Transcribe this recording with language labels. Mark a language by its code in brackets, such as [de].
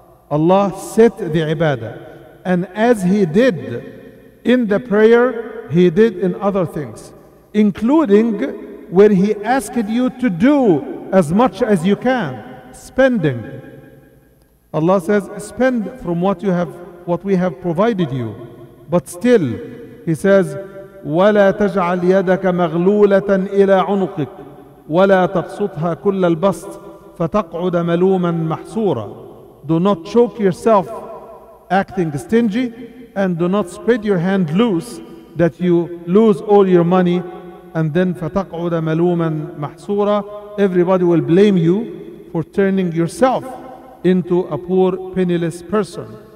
[en] Allah set the ibadah. And as he did in the prayer, he did in other things, including where he asked you to do as much as you can. Spending. Allah says, spend from what we have provided you. But still, he says, [ar] وَلَا تَجْعَلْ يَدَكَ مَغْلُولَةً إِلَىٰ عُنُقِكَ وَلَا تَبْسُطْهَا كُلَّ الْبَسْطِ فَتَقْعُدَ مَلُومًا مَحْصُورًا. [en] Do not choke yourself acting stingy, and do not spread your hand loose that you lose all your money, and then [ar] فَتَقْعُدَ مَلُومًا مَحْصُورًا. [en] Everybody will blame you for turning yourself into a poor, penniless person.